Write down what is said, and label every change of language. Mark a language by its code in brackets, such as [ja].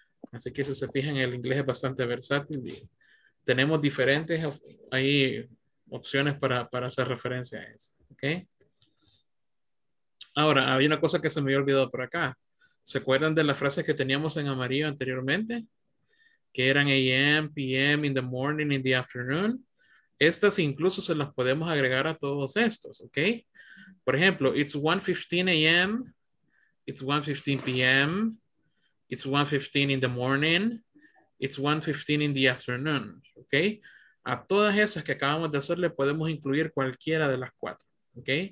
[es] Así que si se fijan, el inglés es bastante versátil. Tenemos diferentes ahí opciones para hacer referencia a eso, ¿ok? Ahora, había una cosa que se me había olvidado por acá. ¿Se acuerdan de las frases que teníamos en amarillo anteriormente? Que eran [en] AM, PM, in the morning, in the afternoon. [es] Estas incluso se las podemos agregar a todos estos, ¿ok? Por ejemplo, [en] it's 1:15 a.m., it's 1:15 p.m., it's 1:15 in the morning, it's 1:15 in the afternoon, ¿ok? [es] A todas esas que acabamos de hacer le podemos incluir cualquiera de las cuatro, ¿ok?